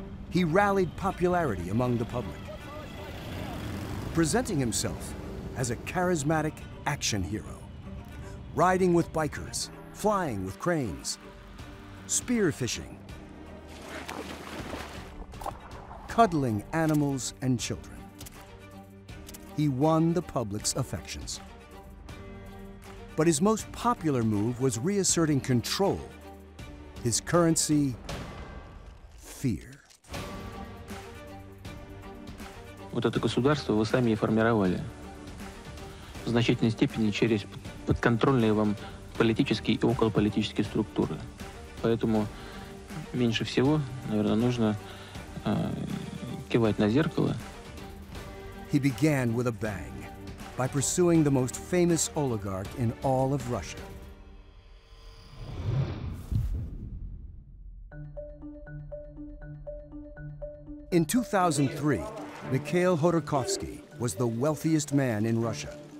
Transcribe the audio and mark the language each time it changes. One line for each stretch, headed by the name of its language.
English: He rallied popularity among the public, presenting himself as a charismatic action hero, riding with bikers, flying with cranes, spear fishing, cuddling animals and children. He won the public's affections. But his most popular move was reasserting control, his currency, fear.
Russian: Вот это государство вы сами и формировали. В значительной степени через подконтрольные вам политические и околополитические структуры. Поэтому меньше всего, наверное, нужно кивать на зеркало.
English: He began with a bang by pursuing the most famous oligarch in all of Russia. In 2003, Mikhail Khodorkovsky was the wealthiest man in Russia.